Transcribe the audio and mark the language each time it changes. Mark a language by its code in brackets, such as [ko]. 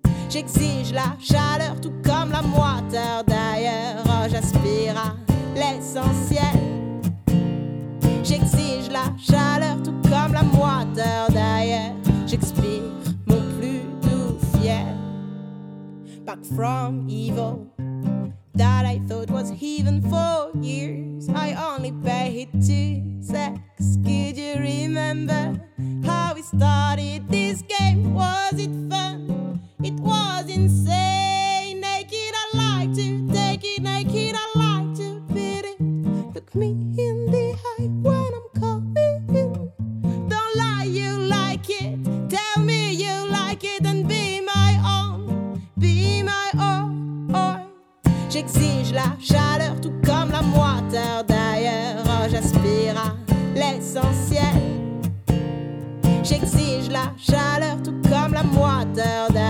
[fr] J'exige la chaleur, tout comme la moiteur d'ailleurs. Oh, j'aspire à l'essentiel. J'exige la chaleur, tout comme la moiteur d'ailleurs. J'expire mon plus doux fiel. [en] Back from evil that I thought was heaven for years, I only paid to sex. Could you remember how we started this game? Was it fun? It was insane. Naked, I like to take it. Naked, I like to beat it. Look me in the eye when I'm coming in. Don't lie, you like it. Tell me you like it and be my own, be my own. [fr] J'exige la chaleur, tout comme la moiteur d'ailleurs. Oh, j'aspire à l'essentiel. J'exige la chaleur, tout comme la moiteur